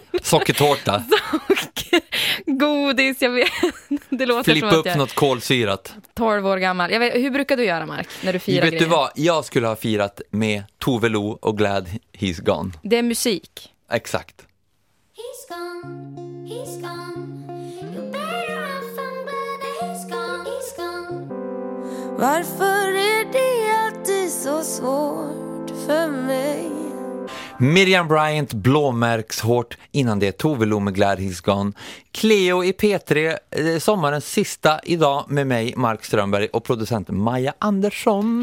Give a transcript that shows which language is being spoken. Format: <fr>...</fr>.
<sv>Sockertårta. Godis, jag vet. Det låter flippa som upp att jag... något kolsyrat. 12 år gammal. Jag vet, hur brukar du göra, Mark, när du firar grejer? Vet du vad? Jag skulle ha firat med Tove Lo och Glad He's Gone. Det är musik. Exakt.</sv> <en>He's gone, he's gone. You better have fun, but he's gone, he's gone.</en> <sv>Varför är det alltid så svårt för mig? Miriam Bryant, blåmärkshårt, innan det Tove Lo med Glad He's Gone. Cleo i P3, sommarens sista idag med mig, Mark Strömberg, och producent Maja Andersson.</sv>